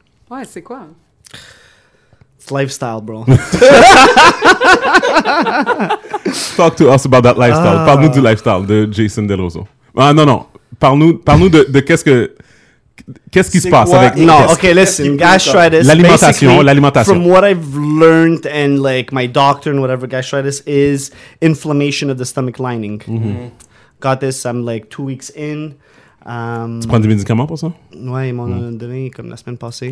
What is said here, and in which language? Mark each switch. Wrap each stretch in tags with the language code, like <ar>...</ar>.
<fr>Ouais, c'est quoi?</fr> <en>It's lifestyle, bro. Talk to us about that lifestyle.</en> <fr>Parle-nous du lifestyle de Jason DeRosa. Ah, non. Parle-nous de qu'est-ce qui se passe avec...</fr> <en>Non, OK, listen. Gastritis.</en> <fr>L'alimentation.</fr> <en>From what I've learned and, like, my doctor and whatever, gastritis is inflammation of the stomach lining. Mm-hmm. Got this. I'm, like, 2 weeks in.</en> <fr>Tu prends des médicaments pour ça? Ouais, ils m'en ont donné comme la semaine passée.</fr>